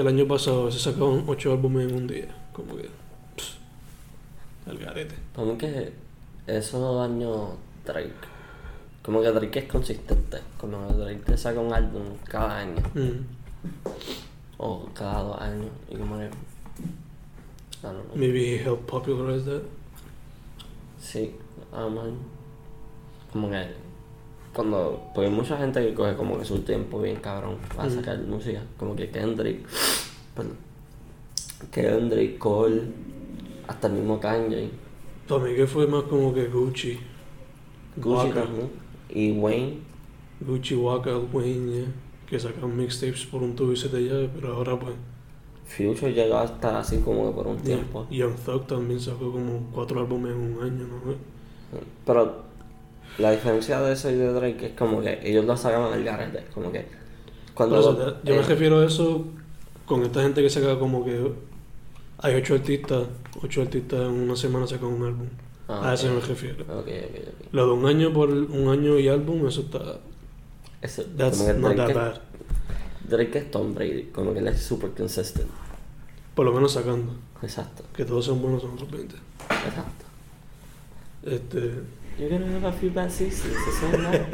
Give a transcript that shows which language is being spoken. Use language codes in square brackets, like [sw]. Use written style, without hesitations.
[es] El año pasado se sacaron 8 álbumes en un día. Como que, el garete. Como que eso no daño Drake. Como que Drake es consistente. Como que Drake te saca un álbum cada año. Mm-hmm. O cada 2 años. Y como que, [en] maybe he helped popularize that. [es] Sí, amén. Como que cuando, porque hay mucha gente que coge como que su tiempo bien cabrón para sacar música. Como que Kendrick, Kendrick, Cole, hasta el mismo Kanye. Tommy, que fue más como que Gucci. Gucci también. Y Wayne. Gucci, Waka, Wayne, yeah. Que sacan mixtapes por un tubo y se te llave, pero ahora pues. Future llegó hasta así como que por un tiempo. Young Thug también sacó como 4 álbumes en un año, ¿no? Pero la diferencia de eso y de Drake es como que ellos lo sacaban al garete, como que. Cuando pero, yo me refiero a eso con esta gente que saca como que hay 8 artistas, 8 artistas en una semana sacan un álbum. Ah, a eso me refiero. Okay. Lo de un año por un año y álbum, eso está. Eso, [en] that's not Drake that bad. [es] Drake es Tom Brady, como que él es [en] super consistent. [es] Por lo menos sacando. Exacto. Que todos sean buenos son otros 20. Exacto. [en] You're gonna have a few bad seasons, [es] eso no.